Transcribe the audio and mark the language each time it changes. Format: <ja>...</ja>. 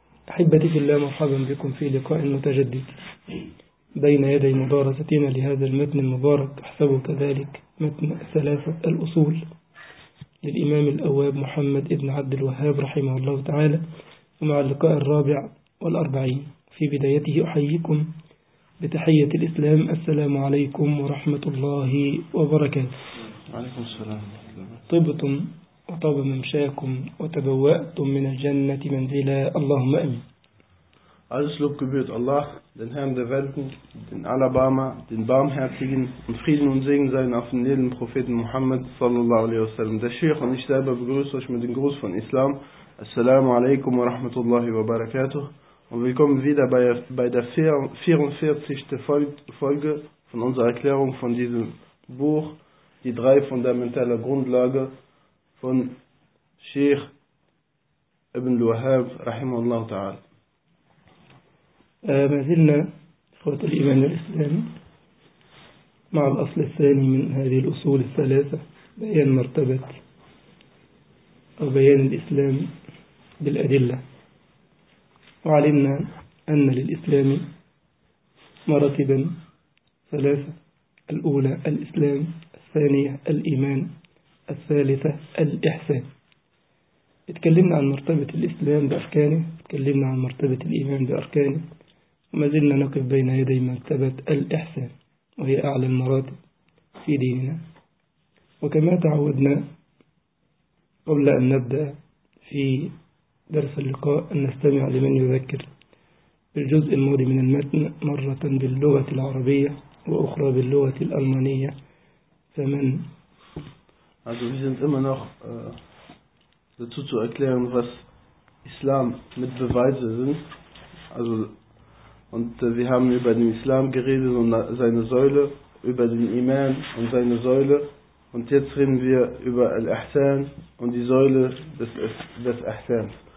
<ar>أحبتي في الله، مرحبا بكم في لقاء متجدد بين يدي مدارستنا لهذا المتن المبارك، أحسبه كذلك متن ثلاثة الأصول للإمام الأواب محمد ابن عبد الوهاب رحمه الله تعالى، ومع اللقاء الرابع والأربعين. في بدايته أحييكم بتحية الإسلام، السلام عليكم ورحمة الله وبركاته. عليكم السلام. طبتم وطاب ممشاكم وتبوأتم من الجنة منزلا، اللهم أمين.</ar> <de>Alles Lob gebührt Allah, den Herrn der Welten, den Allerbarmer, den Barmherzigen, und Frieden und Segen seien auf den Leben Propheten Muhammad sallallahu alaihi wasallam. Der Sheikh und ich selber begrüße euch mit dem Gruß von Islam.</de> <ar>Assalamu alaikum wa rahmatullahi wa barakatuh.</ar> <de>Und willkommen wieder bei der 44. Folge von unserer Erklärung von diesem Buch, die drei fundamentale Grundlage von Sheikh Ibn Wahhab rahimahullah ta'ala.</de> <ar>ما زلنا إخوة الإيمان الإسلام مع الأصل الثاني من هذه الأصول الثلاثة، بيان مرتبة أو بيان الإسلام بالأدلة، وعلمنا أن للإسلام مراتبا ثلاثة: الأولى الإسلام، الثانية الإيمان، الثالثة الإحسان. اتكلمنا عن مرتبة الإسلام بأركانه، اتكلمنا عن مرتبة الإيمان بأركانه، وما زلنا نقف بين يدي مرتبة الإحسان وهي أعلى المراتب في ديننا. وكما تعودنا قبل أن نبدأ في درس اللقاء أن نستمع لمن يذكر بالجزء الماضي من المتن مرة باللغة العربية وأخرى باللغة الألمانية، فمن</ar> <de>Also wir sind immer noch dazu zu erklären, was Islam mit Beweise sind. Also und wir haben über den Islam geredet und seine Säule, über den Iman und seine Säule. Und jetzt reden wir über Al-Ihsan und die Säule des Ihsans.</de>